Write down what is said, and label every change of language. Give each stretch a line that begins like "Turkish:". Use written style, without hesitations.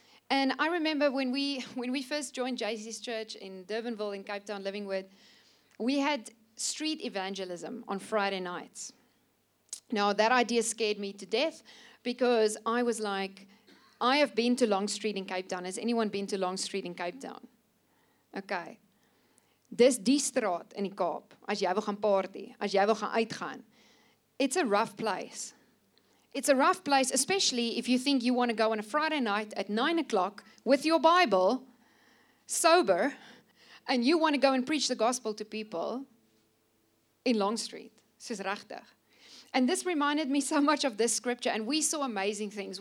English: And I remember when we first joined JC's church in Durbanville in Cape Town, Living Word, we had street evangelism on Friday nights. Now, that idea scared me to death because I was like, I have been to Long Street in Cape Town. Has anyone been to Long Street in Cape Town? Okay.
Afrikaans: Dis die straat in die Kaap. As jy wil gaan party, as jy wil gaan uitgaan.
English: It's a rough place. It's a rough place, especially if you think you want to go on a Friday night at 9 o'clock with your Bible, sober, and you want to go and preach the gospel to people in Long Street.
Afrikaans: Soos regtig.
English: And this reminded me so much of this scripture, and we saw amazing things.